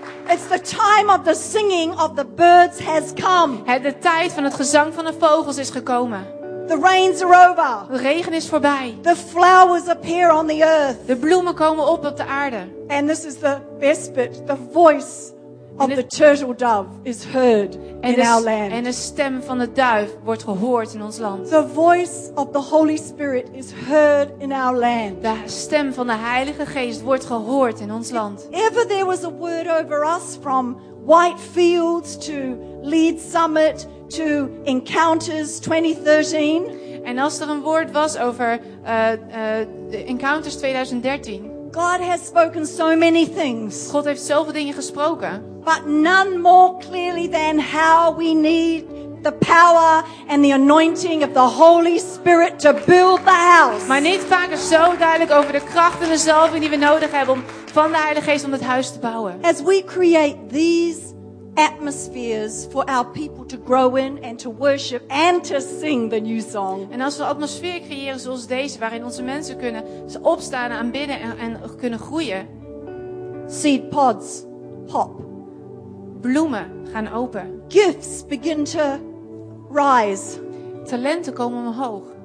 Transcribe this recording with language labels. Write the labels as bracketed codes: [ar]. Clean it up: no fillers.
[en] It's the time of the singing of the birds has come. [nl] De tijd van het gezang van de vogels is gekomen. [en] The rains are over. [nl] De regen is voorbij. [en] The flowers appear on the earth. [nl] De bloemen komen op de aarde. [en] And this is the best bit. The voice of the turtle dove is heard in our land. [nl] En de stem van de duif wordt gehoord in ons land. [en] The voice of the Holy Spirit is heard in our land. [nl] De stem van de Heilige Geest wordt gehoord in ons land. [en] Ever there was a word over us from White Fields to Lead Summit to Encounters 2013. [nl] En als er een woord was over Encounters 2013. [en] God has spoken so many things. [nl] God heeft zoveel dingen gesproken. [en] But none more clearly than how we need the power and the anointing of the Holy Spirit to build the house. [nl] Maar niet vaker zo duidelijk over de kracht en de zalving die we nodig hebben om van de Heilige Geest om het huis te bouwen. [en] As we create these atmospheres for our people to grow in and to worship and to sing the new song. [nl] En als we atmosfeer creëren zoals deze, waarin onze mensen kunnen opstaan en aanbidden en kunnen groeien. [en] Seed pods pop. [nl] Bloemen gaan open. [en] Gifts begin to rise. [nl] Talenten komen omhoog.